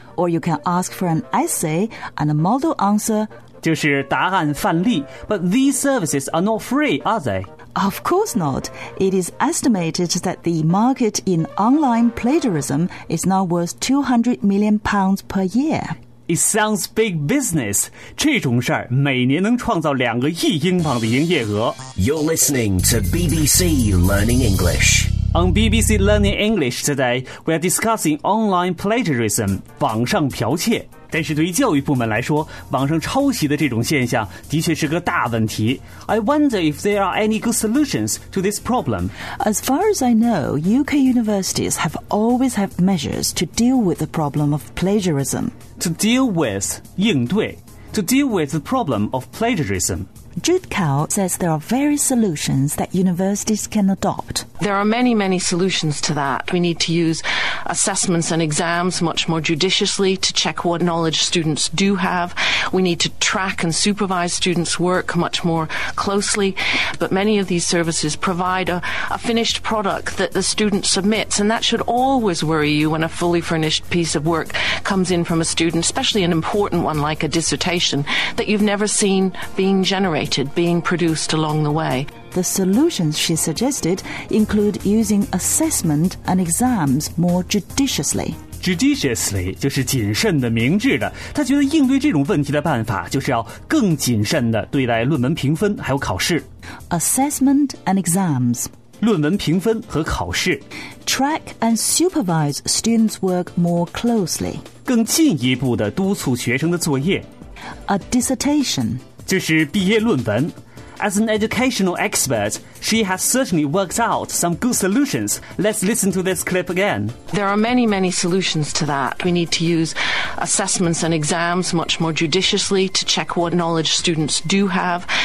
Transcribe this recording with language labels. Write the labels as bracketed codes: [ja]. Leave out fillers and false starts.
[en] Or you can ask for an essay and a model answer. [zh] 就是答案范例 [en] But these services are not free, are they? Of course not. It is estimated that the market in online plagiarism is now worth £200 million per year. It sounds big business. [zh] 这种事儿每年能创造2亿英镑的营业额 [en] You're listening to BBC Learning English. On BBC Learning English today, we are discussing online plagiarism, [zh] 网上剽窃。但是对于教育部门来说，网上抄袭的这种现象的确是个大问题。 [en] I wonder if there are any good solutions to this problem. As far as I know, UK universities have always had measures to deal with the problem of plagiarism. To deal with, [zh] 应对。 [en] To deal with the problem of plagiarism. Jude Cow says there are various solutions that universities can adopt. There are many, many solutions to that. We need to use assessments and exams much more judiciously to check what knowledge students do have. We need to track and supervise students' work much more closely. But many of these services provide a finished product that the student submits. And that should always worry you when a fully furnished piece of work comes in from a student, especially an important one like a dissertation, that you've never seen being generated. Being produced along the way. The solutions she suggested include using assessment and exams more judiciously. [zh] Judiciously 就是谨慎的、明智的。她觉得应对这种问题的办法就是要更谨慎的对待论文评分还有考试。 [en] Assessment and exams. [zh] 论文评分和考试。 [en] Track and supervise students' work more closely. [zh] 更进一步地督促学生的作业。 [en] A dissertation. [zh] 就是毕业论文。 [en] As an educational expert, she has certainly worked out some good solutions. Let's listen to this clip again. There are many, many solutions to that. We need to use assessments and exams much more judiciously to check what knowledge students do have.